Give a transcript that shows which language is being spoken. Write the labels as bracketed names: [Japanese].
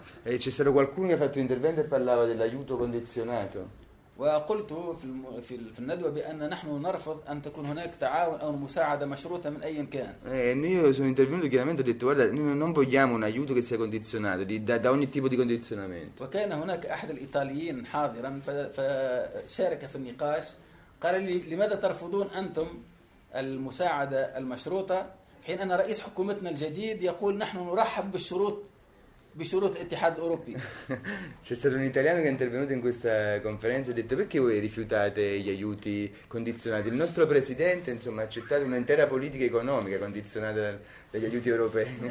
[Italian] E c'è stato qualcuno che ha fatto un intervento e parlava dell'aiuto condizionato. [Arabic] وقلت في الندوة بأن نحن نرفض أن تكون هناك تعاون أو مساعدة مشروطة من أي مكان. [Italian] Io sono intervenuto chiaramente ho detto guarda noi non vogliamo un aiuto che sia condizionato da ogni tipo di condizionamento. [Arabic] وكان هناك أحد الإيطاليين حاضرا فشارك في النقاش قال لي لماذا ترفضون أنتم المساعدة المشروطة حين أن رئيس حكومتنا الجديد يقول نحن نرحب بالشروط بشروط الاتحاد الأوروبي. [Italian] C'è stato un italiano che è intervenuto in questa conferenza e ha detto perché voi rifiutate gli aiuti condizionati? Il nostro presidente insomma ha accettato un'intera politica economica condizionata dagli aiuti europei.